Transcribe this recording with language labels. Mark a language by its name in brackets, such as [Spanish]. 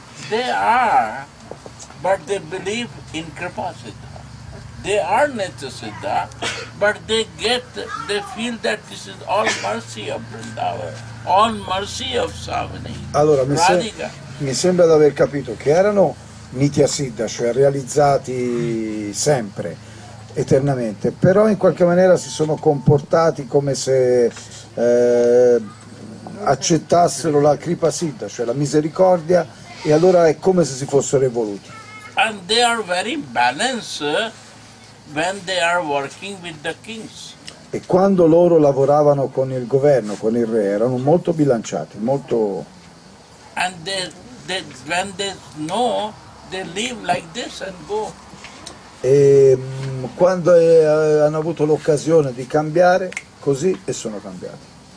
[English] They are, but they believe in Kripa Siddha. They are Nitya Siddha, but they feel that this is all mercy of Vrindavan. On mercy of Savani. [Italian] Allora mi sembra di aver capito che erano Nitya Siddha, cioè realizzati sempre, eternamente, però in qualche maniera si sono comportati come se accettassero la Kripa Siddha, cioè la misericordia, e allora è come se si fossero evoluti. [English] And they are very balanced when they are working with the kings. [Italian] E quando loro lavoravano con il governo, con il re, erano molto bilanciati, molto. [English] And they, when they know, they live like this and go. [Italian] E quando hanno avuto l'occasione di cambiare, così e sono cambiati.